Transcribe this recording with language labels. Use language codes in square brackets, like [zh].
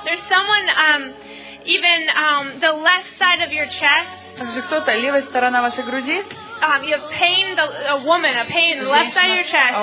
[en] There's someone even the left side of your chest. [ru] Также кто-то левая сторона вашей груди. [en] You have pain, a woman, a pain in the left side of your chest.